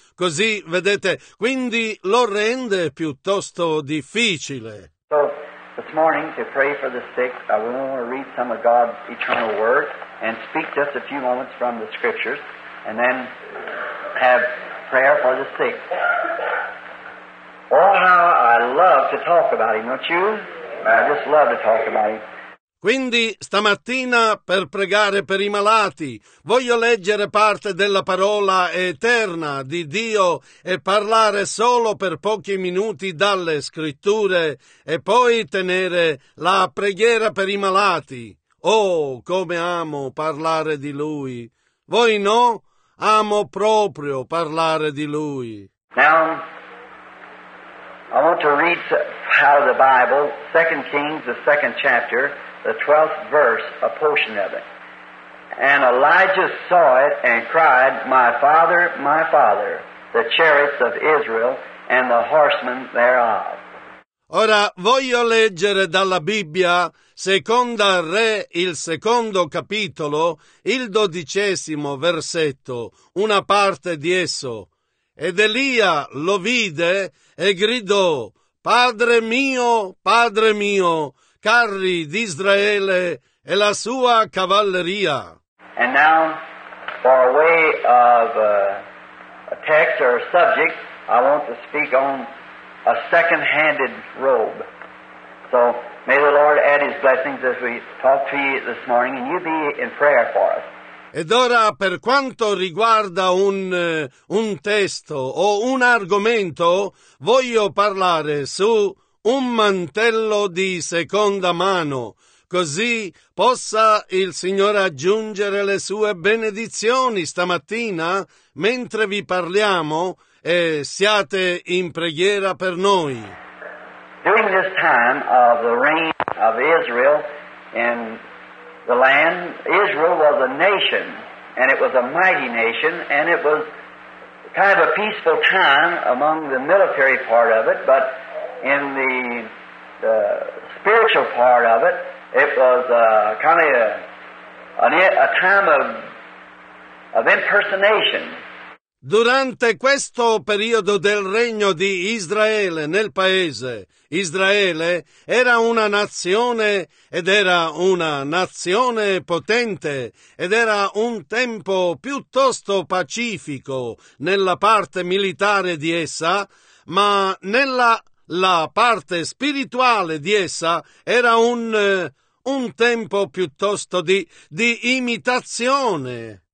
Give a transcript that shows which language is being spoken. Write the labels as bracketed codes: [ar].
[it] Così, vedete, quindi lo rende piuttosto difficile. [en] So, this morning, to pray for the sick, I want to read some of God's eternal word and speak just a few moments from the scriptures, and then have prayer for the sick. Oh, how I love to talk about him, don't you? I just love to talk about him. [it] Quindi stamattina, per pregare per i malati, voglio leggere parte della parola eterna di Dio e parlare solo per pochi minuti dalle scritture e poi tenere la preghiera per i malati. Oh, come amo parlare di Lui! Voi no? Amo proprio parlare di Lui. [en] Now, I want to read out of the Bible, 2 Kings, the second chapter, the 12th verse, a portion of it. And Elijah saw it and cried, my father, the chariots of Israel and the horsemen thereof. [it] Ora voglio leggere dalla Bibbia, Seconda Re, il secondo capitolo, il 12° versetto, una parte di esso. Ed Elia lo vide e gridò, padre mio, carri d'Israele e la sua cavalleria. [en] And now, for a way of a text or a subject, I want to speak on a second-handed robe. So, may the Lord add his blessings as we talk to you this morning, and you be in prayer for us. [it] Ed ora, per quanto riguarda un testo o un argomento, voglio parlare su un mantello di seconda mano, così possa il Signore aggiungere le sue benedizioni stamattina mentre vi parliamo e siate in preghiera per noi. [en] During this time of the reign of Israel in the land, Israel was a nation, and it was a mighty nation, and it was kind of a peaceful time among the military part of it, but in the spiritual part of it, it was kind of a time of impersonation. [it] Durante questo periodo del regno di Israele nel paese, Israele era una nazione ed era una nazione potente ed era un tempo piuttosto pacifico nella parte militare di essa, ma la parte spirituale di essa era un tempo piuttosto di imitazione.